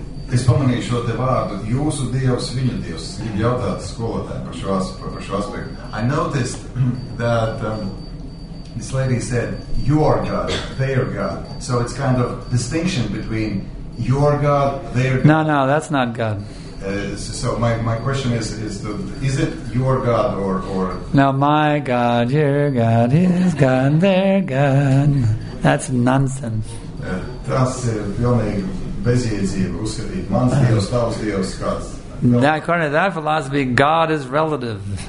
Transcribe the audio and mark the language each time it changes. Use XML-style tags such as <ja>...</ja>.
<lv>Es pamanīju šo te vārdu, jūsu Dievs, viņa Dievs. Gribu jautāt skolotājiem par šo aspektu.</lv> <en>I noticed that this lady said, your God, their God. So it's kind of distinction between your God, their God. No, no, that's not God. So my question is it your God or? No, my God, your God, his God, their God. That's nonsense.</en> <lv>Tas ir pilnīgi bezjēdzība uzskatīt. Mans Dievs, tavs Dievs, kāds.</lv> <en>Now, according to that philosophy, God is relative.</en>